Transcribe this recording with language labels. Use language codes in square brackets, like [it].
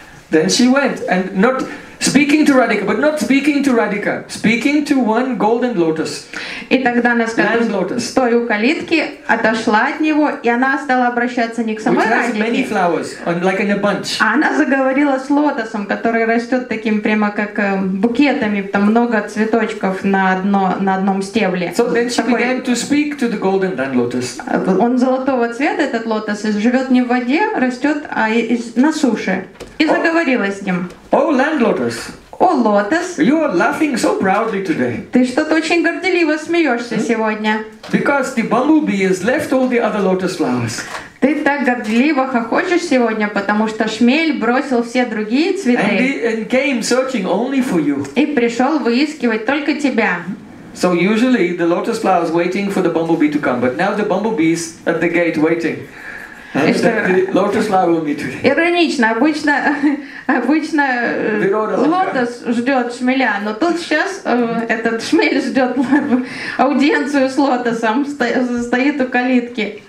[en] Then she went and not speaking to Radhika, but not speaking to Radhika, speaking to one golden lotus. [ru] И тогда она сказала, стой у калитки, отошла от него, и она стала обращаться не к самой Радике. [en] Which has many flowers, like in a bunch. [ru] А она заговорила с лотосом, который растет таким прямо как букетами, там много цветочков на одном стебле. [en] So then she began to speak to the golden lotus. [ru] Он золотого цвета, этот лотос, и живет не в воде, растет, а на суше. И заговорила с ним. [en] Oh, land lotus! Oh, lotus! You are laughing so proudly today. [ru] Ты что-то очень горделиво смеешься сегодня. [en] Because the bumblebee has left all the other lotus flowers. [ru] Ты так горделиво хохочешь сегодня, потому что шмель бросил все другие цветы. [en] And came searching only for you. [ru] И пришел выискивать только тебя. [en] So usually the lotus flower is waiting for the bumblebee to come, but now the bumblebee is at the gate waiting. [ru] Иронично, обычно лотос ждет шмеля, но тут сейчас этот шмель ждет аудиенцию с лотосом, стоит у калитки.